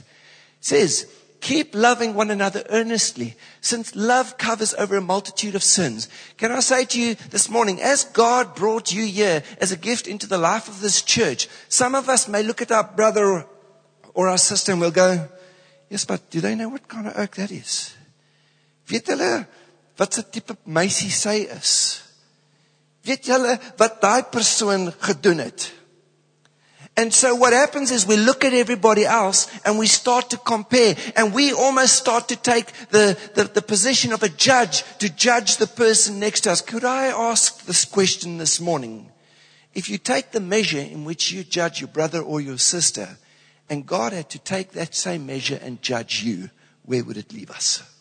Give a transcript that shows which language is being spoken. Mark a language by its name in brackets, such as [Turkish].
[English] It says, keep loving one another earnestly, since love covers over a multitude of sins. Can I say to you this morning, as God brought you here as a gift into the life of this church, some of us may look at our brother or our sister and we'll go, yes, but do they know what kind of oak that is? [Afrikaans] Weet hulle wat se tipe meisie sy is? Weet julle wat daai persoon gedoen het? [English] And so what happens is we look at everybody else and we start to compare and we almost start to take the position of a judge to judge the person next to us. Could I ask this question this morning? If you take the measure in which you judge your brother or your sister and God had to take that same measure and judge you, where would it leave us?